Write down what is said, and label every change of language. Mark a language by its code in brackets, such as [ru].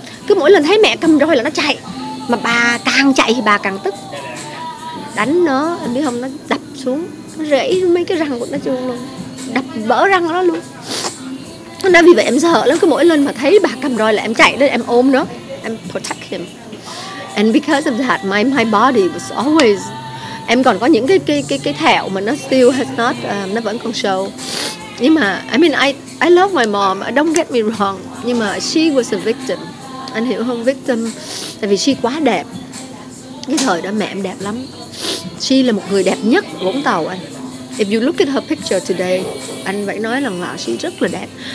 [vi] Cứ mỗi lần thấy mẹ cầm roi là nó chạy, mà bà càng chạy thì bà càng tức. Đánh nó, em biết không, nó đập xuống, nó rẫy mấy cái răng của nó xuống luôn, đập vỡ răng của nó luôn. Nên vì vậy em sợ lắm, cứ mỗi lần mà thấy bà cầm roi là em chạy, nên em ôm nó, em [en] protect him. And because of that, my body was always... [vi] Em còn có những cái thẹo mà nó [en] still has not, [vi] nó vẫn còn show. Nhưng mà, [en] I mean, I love my mom, don't get me wrong. Nhưng mà she was a victim. [vi] Anh hiểu không? Victim, tại vì she quá đẹp. Cái thời đó mẹ em đẹp lắm. She là một người đẹp nhất Vũng Tàu anh. [en] If you look at her picture today, [vi] anh phải nói lần nào she rất là đẹp.